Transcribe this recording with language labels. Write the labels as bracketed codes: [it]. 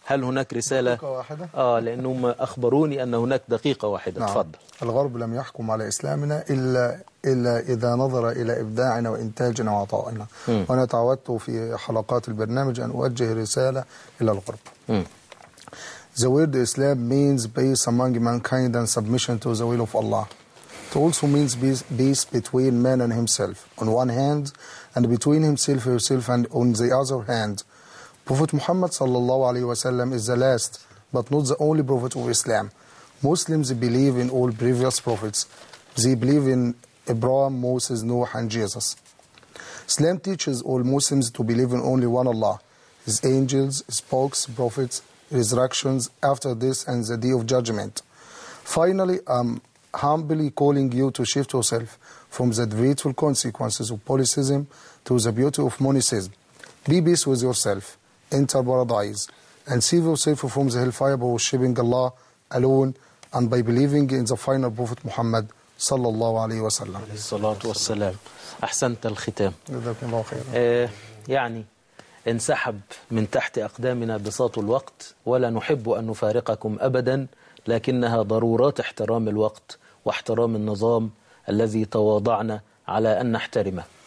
[ar] هل هناك رسالة؟ دقيقة واحدة. لأنهم أخبروني أن هناك دقيقة واحدة. نعم. تفضل. الغرب لم يحكم على إسلامنا إلا إذا نظر إلى إبداعنا وإنتاجنا وعطائنا. وأنا تعودت في حلقات البرنامج أن أوجه رسالة إلى الغرب. [en] The word Islam means peace among mankind and submission to the will of Allah. It also means peace between man and himself on one hand and between himself and yourself and on the other hand. Prophet Muhammad sallallahu alaihi wasallam is the last but not the only prophet of Islam. Muslims believe in all previous prophets. They believe in Abraham, Moses, Noah and Jesus. Islam teaches all Muslims to believe in only one Allah, his angels, his spokes, prophets, resurrections after this and the day of judgment. Finally, I'm humbly calling you to shift yourself from the dreadful consequences of polytheism to the beauty of monotheism. Be peace with yourself, enter paradise, and save yourself from the hellfire by worshipping Allah alone and by believing in the final Prophet Muhammad sallallahu alayhi wa sallam. [ar] Salatu wa salam. Ahsanta al-khitam. Jazakum Allah khair. يعني انسحب من تحت أقدامنا بساط الوقت ولا نحب أن نفارقكم أبدا لكنها ضرورات احترام الوقت واحترام النظام الذي تواضعنا على أن نحترمه.